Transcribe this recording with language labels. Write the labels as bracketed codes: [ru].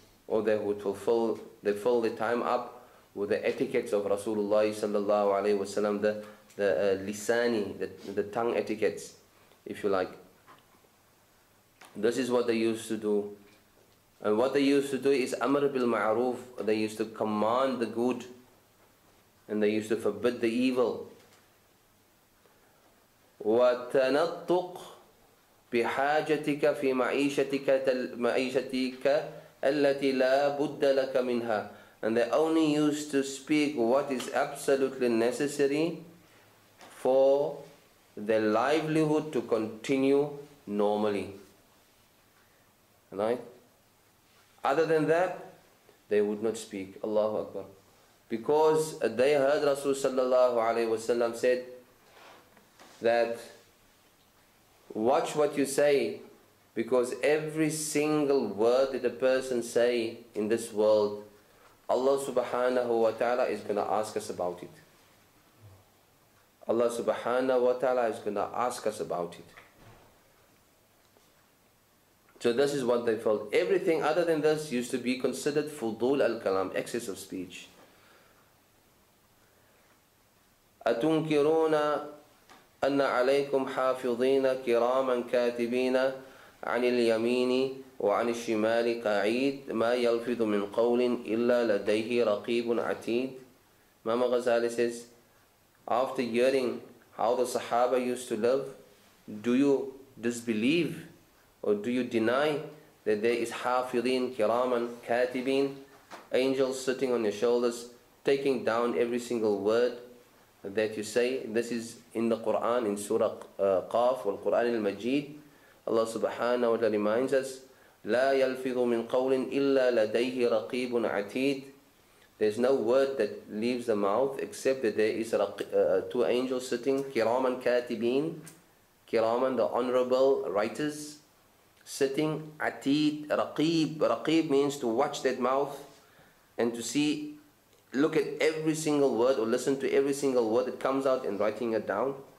[en] Or they would fulfill, they fill the time up with the etiquettes of Rasulullah sallallahu alayhi wa sallam, the lisani, the tongue etiquettes, if you like. This is what they used to do. And what they used to do is [ar] amr bil ma'roof. [en] They used to command the good and they used to forbid the evil. [ar] وَتَنَطُّقْ بِحَاجَتِكَ فِي مَعِيشَتِكَ التي لا بد لك منها. [en] And they only used to speak what is absolutely necessary for their livelihood to continue normally. Right? Other than that, they would not speak. Allahu Akbar. Because they heard Rasul sallallahu alayhi wasallam said that watch what you say, because every single word that a person say in this world, Allah subhanahu wa ta'ala is going to ask us about it. Allah subhanahu wa ta'ala is going to ask us about it. So this is what they felt. Everything other than this used to be considered [ar] fudul al-kalam, [en] excess of speech. [ar] أَتُنْكِرُونَ أَنَّ عَلَيْكُمْ حَافِظِينَ كِرَامًا كَاتِبِينَ عن اليمين وعن الشمال قعيد ما يلفظ من قول إلا لديه رقيب عتيد. [en] Imam Ghazali says, after hearing how the Sahaba used to live, do you disbelieve or do you deny that there is [ar] hafidin, kiraman, katibin, [en] angels sitting on your shoulders, taking down every single word that you say? This is in the Quran, in Surah Qaf, or Quran al-Majid. Allah subhanahu wa ta'ala reminds us, [ar] لا يلفظ من قول إلا لديه رقيب عتيد. [en] There's no word that leaves the mouth except that there is two angels sitting, [ar] كِرَامًا كاتبين, كِرَامًا, [en] the honorable writers, sitting, [ar] عتيد, رقيب. [en] رقيب means to watch that mouth and to see, look at every single word or listen to every single word that comes out and writing it down.